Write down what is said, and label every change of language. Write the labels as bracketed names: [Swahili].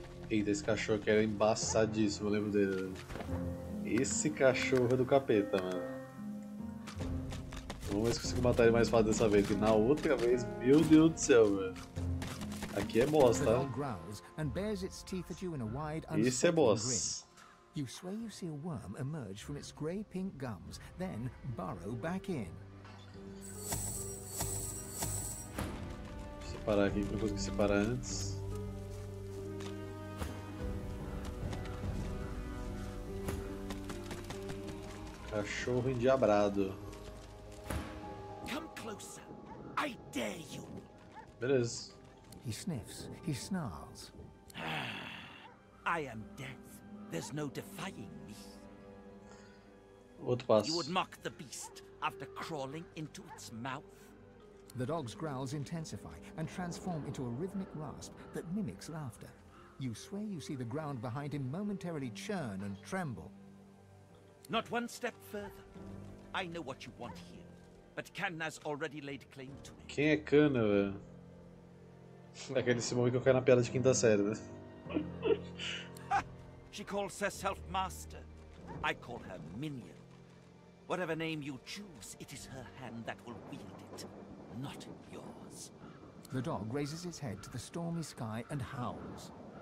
[Portuguese] Eita, esse cachorro aqui era embaçadíssimo, eu lembro dele. Esse cachorro é do capeta, mano. Vamos ver se consigo matar ele mais fácil dessa vez. E na outra vez, meu Deus do céu, mano. Aqui é boss, tá? [English] And bares its teeth at you in a wide, unsettling grin. You swear you see a worm emerge from its grey-pink gums, then burrow back in. [Portuguese] Separar aqui, não consegui separar antes. Cachorro endiabrado. [English] Come closer. I dare you. [Portuguese] Beleza. [English] He sniffs, he snarls. I am death. There's no defying me. [Portuguese] Outro passo. [English] You would mock the beast after crawling into its mouth. The dog's growls intensify and transform into a rhythmic rasp that mimics laughter. You swear you see the ground behind him momentarily churn and tremble. Not one step further. I know what you want here, but Khan has already laid claim to it. [Portuguese] Quem é Khan, velho? É aquele Simone que eu caio na piada de quinta série, né? [English] She calls herself master. I call her minion. Whatever name you choose, it is her hand that will wield it, not yours. The dog raises its head to the stormy sky and howls.